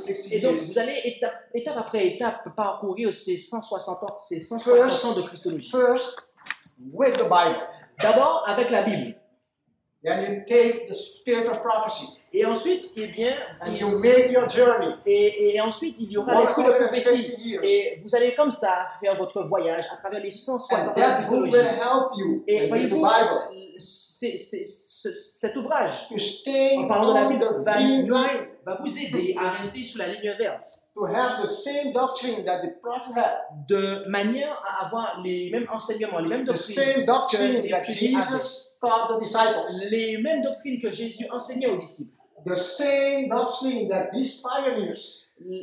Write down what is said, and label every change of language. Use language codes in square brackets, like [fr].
[fr] Et donc, vous allez étape après étape parcourir ces 160 ans, ces 160 ans de Christologie. [en] First, with the Bible. [fr] D'abord, avec la Bible. [en] Then you take the spirit of prophecy. [fr] Et ensuite, eh bien, [en] you make your journey. [fr] Et ensuite, il y aura l'esprit de prophétie. Et vous allez comme ça faire votre voyage à travers les 160 ans de Christologie. [en] And that book will help you. [fr] Et voyez-vous, cet ouvrage, [en] stay [fr] en parlant de la Bible, va vous aider à rester sous la ligne verte. [en] To have the same doctrine that the prophet had. [fr] De manière à avoir les mêmes enseignements, les mêmes doctrines. [en] The same doctrine that Jesus taught the disciples. [fr] Les mêmes doctrines que Jésus enseignait aux disciples. [en] the same doctrine that these pioneers,